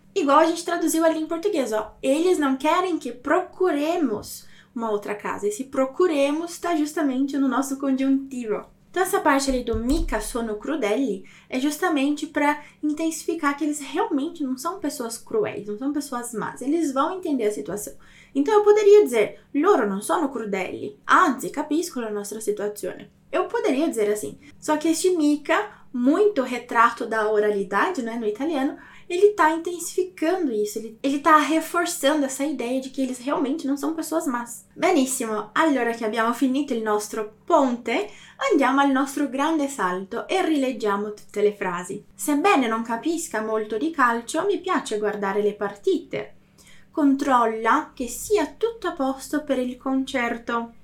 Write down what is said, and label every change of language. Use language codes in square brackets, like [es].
[pt] Igual a gente traduziu ali em português, ó. Eles não querem que procuremos uma outra casa. Esse procuremos está justamente no nosso conjuntivo. Então, essa parte ali do [it] mica sono crudeli [pt] é justamente para intensificar que eles realmente não são pessoas cruéis, não são pessoas más, eles vão entender a situação. Então, eu poderia dizer, [it] loro non sono crudeli, anzi, capiscono la nostra situazione. [pt] Eu poderia dizer assim. Só que este mica, muito retrato da oralidade, né, no italiano, ele está intensificando isso, ele está reforçando essa ideia de que eles realmente não são pessoas más. [it] Benissimo, allora che abbiamo finito il nostro ponte, andiamo al nostro grande salto e rileggiamo tutte le frasi. Sebbene non capisca molto di calcio, mi piace guardare le partite. Controlla che sia tutto a posto per il concerto.